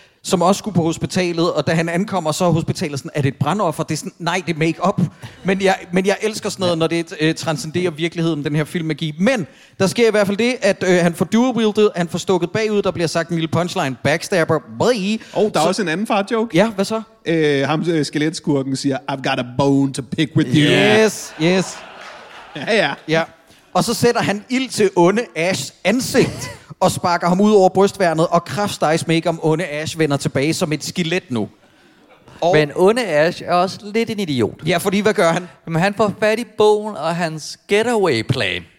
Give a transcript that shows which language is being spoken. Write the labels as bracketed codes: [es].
[da] Som også skulle på hospitalet, og da han ankommer, så er hospitalet sådan, er det et brandoffer? Det er sådan, nej, det er make-up. Men jeg elsker sådan noget, når det transcenderer virkeligheden, den her filmmagi. Men der sker i hvert fald det, at han får dual-wieldet, han får stukket bagud, der bliver sagt en lille punchline, backstabber, brie. Oh, der er også en anden fart-joke. Ja, hvad så? Ham skeletskurken siger, [en] I've got a bone to pick with you. Yes, yes. [da] Ja, ja. Ja, og så sætter han ild til onde Ash ansigt. Og sparker ham ud over brystværnet, og kraftstejs med ikke om onde Ash vender tilbage som et skelet nu. Og... Men onde Ash er også lidt en idiot. Ja, fordi hvad gør han? Jamen, han får fat i bogen og hans getaway plan.